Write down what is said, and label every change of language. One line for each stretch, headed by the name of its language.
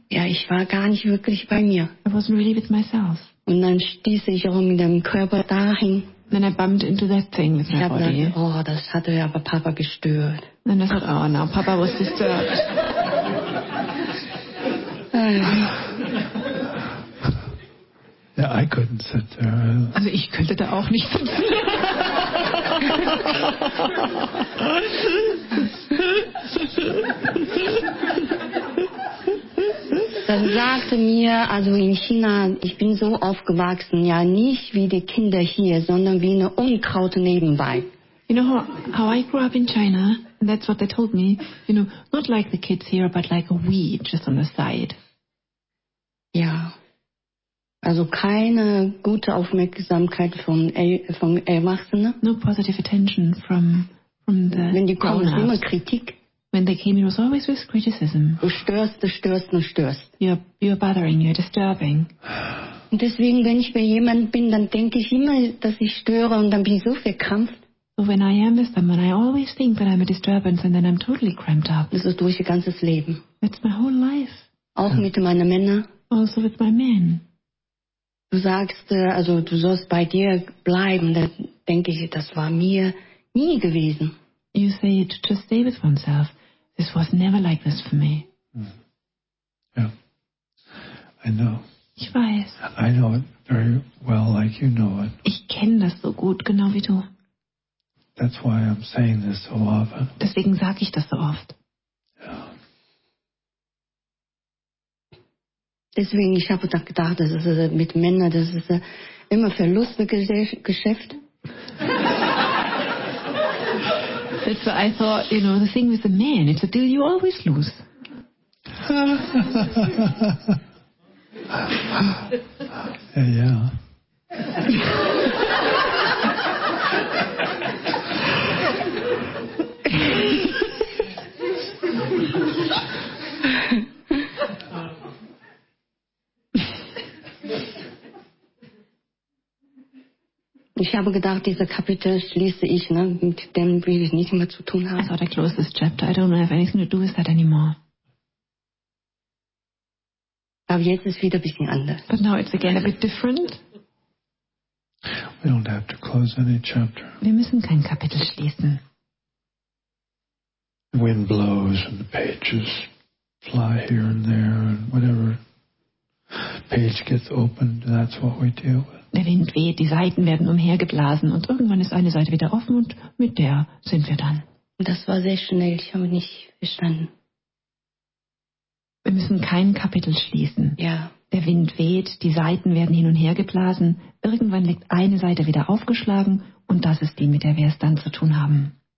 German: Ja, ich war gar nicht wirklich bei mir.
English: I wasn't really with myself.
German: Und dann stieß ich auch mit dem Körper dahin.
English: Then I bumped into that thing with my body.
German: Dann, oh, das hatte ja aber Papa gestört.
English: Then I thought, oh no, Papa was disturbed. Yeah, I couldn't sit there.
German: Also ich könnte da auch nicht sitzen. Das sagte mir, also in China, ich bin so aufgewachsen, ja nicht wie die Kinder hier, sondern wie eine Unkraut nebenbei.
English: You know how I grew up in China, and that's what they told me, you know, not like the kids here, but like a weed just on the side.
German: Ja. Also keine gute Aufmerksamkeit von Erwachsenen.
English: No positive attention from the
German: Wenn die kommen, ist immer Kritik.
English: When they came, it was always with criticism.
German: Du störst.
English: You're bothering, you're disturbing.
German: Und deswegen, wenn ich bei jemandem bin, dann denke ich immer, dass ich störe und dann bin ich so verkrampft.
English: So when I am with someone, I always think that I'm a disturbance and then I'm totally cramped up.
German: Das ist durch ihr ganzes Leben.
English: That's my whole life.
German: Auch mit meinen Männern.
English: Also with my men.
German: Du sagst, also du sollst bei dir bleiben, dann denke ich, das war mir nie gewesen.
English: You say it to stay with oneself. This was never like this for me. Mm. Yeah, I know.
German: Ich weiß.
English: I know it very well, like you know it.
German: Ich kenne das so gut, genau wie du.
English: That's why I'm saying this so often.
German: Deswegen sage ich das so oft.
English: Yeah.
German: Deswegen, ich habe da gedacht, das ist mit Männern, das ist immer Verlustgeschäft.
English: That's what I thought, you know, the thing with the man, it's a deal you always lose. Yeah, yeah.
German: Ich habe gedacht, dieses Kapitel schließe ich, ne? Mit dem will ich nichts mehr zu tun haben.
English: I thought I closed this chapter. I don't have anything to do with that anymore.
German: Aber jetzt ist wieder ein bisschen anders.
English: But now it's again a bit different. We don't have to close any chapter.
German: Wir müssen kein Kapitel schließen.
English: The wind blows and the pages fly here and there and whatever page gets opened, that's what we deal with.
German: Der Wind weht, die Seiten werden umhergeblasen und irgendwann ist eine Seite wieder offen und mit der sind wir dann. Das war sehr schnell, ich habe nicht verstanden. Wir müssen kein Kapitel schließen. Ja. Der Wind weht, die Seiten werden hin und her geblasen, irgendwann liegt eine Seite wieder aufgeschlagen und das ist die, mit der wir es dann zu tun haben.